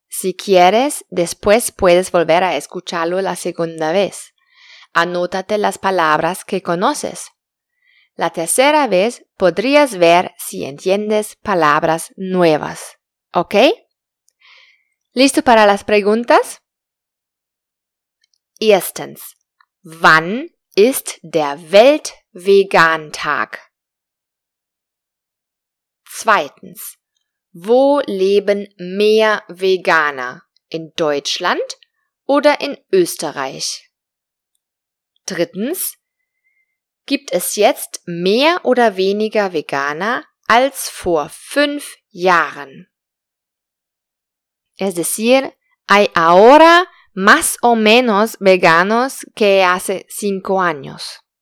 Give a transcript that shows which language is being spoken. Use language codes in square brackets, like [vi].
[es] Si quieres, después puedes volver a escucharlo la segunda vez. Anótate las palabras que conoces. La tercera vez podrías ver si entiendes palabras nuevas. ¿Ok? ¿Listo para las preguntas? [de] Erstens, ¿wann ist der Weltvegantag? Zweitens, ¿wo leben mehr Veganer? In Deutschland oder in Österreich? Drittens, ¿gibt es jetzt mehr oder weniger Veganer als vor 5 Jahren? [es] Es decir, ¿hay ahora más o menos veganos que hace 5 años?